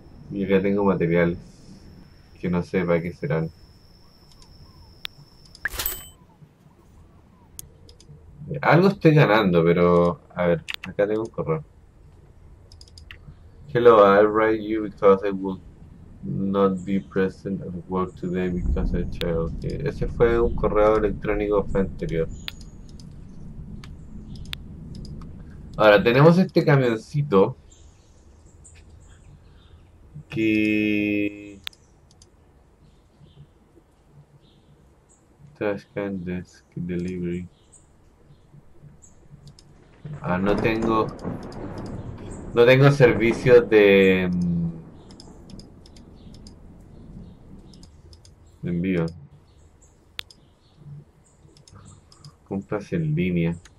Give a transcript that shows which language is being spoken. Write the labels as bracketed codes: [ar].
[es] Y acá tengo materiales que no sé para qué serán. Algo estoy ganando, pero a ver, acá tengo un correo. [en] Hello, I'll write you because I will not be present at work today because I child. Okay. [es] Ese fue un correo electrónico fue anterior. Ahora tenemos este camioncito. Que [en] Trash can desk delivery. [es] Ah, no tengo. No tengo servicio de envío. Compras en línea.